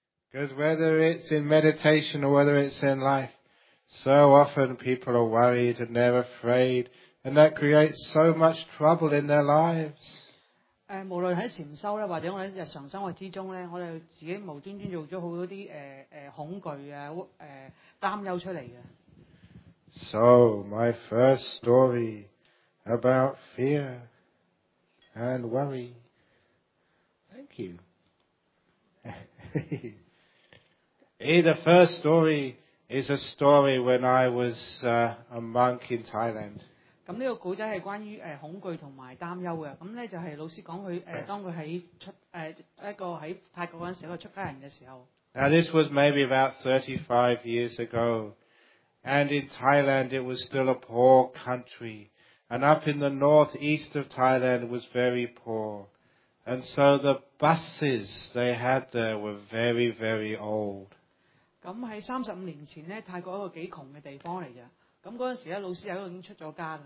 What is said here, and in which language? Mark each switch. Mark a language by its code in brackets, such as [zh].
[en] Because whether it's in meditation or whether it's in life, so often people are worried and they're afraid, and that creates so much trouble in their lives. [yue] 無論在禅修或者我們在日常生活之中，我們自己無端端做了很多的恐懼擔憂出來的。 [en] So, my first story about fear and worry. Thank you. The first story is a story when I was a monk in Thailand. [yue] 咁呢個故仔係關於恐懼同埋擔憂嘅。咁咧就係老師講佢當佢喺出一個喺泰國嗰陣時候，一個出家人嘅時候。 [en] Now this was maybe about 35 years ago, and in Thailand it was still a poor country, and up in the northeast of Thailand was very poor, and so the buses they had there were very very old. [yue] 咁喺35年前咧，泰國一個幾窮嘅地方嚟嘅。咁嗰陣時咧，老師喺嗰度已經出咗家㗎。